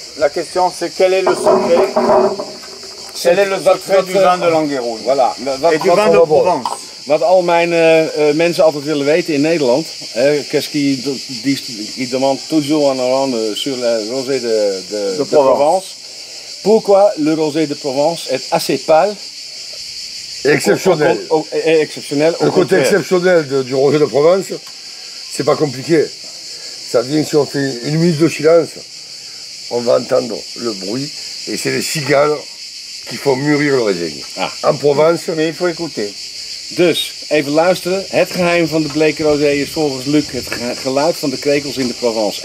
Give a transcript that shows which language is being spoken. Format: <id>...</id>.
<fr>La question, c'est quel est le secret? Quel est le secret du vin de Langeron? Voilà. Et du vin de Provence.</fr> <nl>Wat al mijn mensen altijd willen weten in Nederland.</nl> <fr>Qu'est-ce qui demande toujours en Holland sur le rosé de Provence. Provence. Pourquoi le rosé de Provence est assez pâle? Exceptionnel. Et exceptionnel. Le côté exceptionnel du rosé de Provence, c'est pas compliqué. Ça vient si on fait une minute de silence, on va entendre le bruit et c'est les cigales qui font mûrir le raisin. Ah. En Provence, mais il faut écouter.</fr> <nl>Dus, even luisteren. Het geheim van de bleke rosé is volgens Luc het geluid van de krekels in de Provence.</nl>